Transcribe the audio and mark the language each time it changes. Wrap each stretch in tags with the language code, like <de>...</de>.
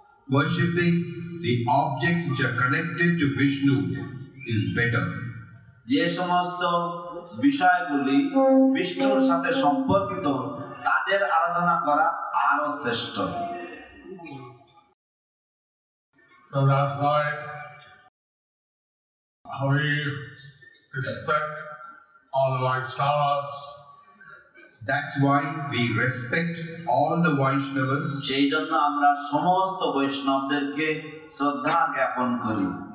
<en>Worshipping the objects which are connected to Vishnu is better.</en> <bn>যে সমস্ত বিষয়গুলি বিষ্ণুর সাথে সম্পর্কিত তাদের আরাধনা করা আরো শ্রেষ্ঠ.</bn> <en>So that's why we respect all the Vaishnavas. That's why we respect all the Vaishnavas.</en> <bn>সেই জন্য আমরা সমস্ত বৈষ্ণবদেরকে শ্রদ্ধা জ্ঞাপন করি.</bn>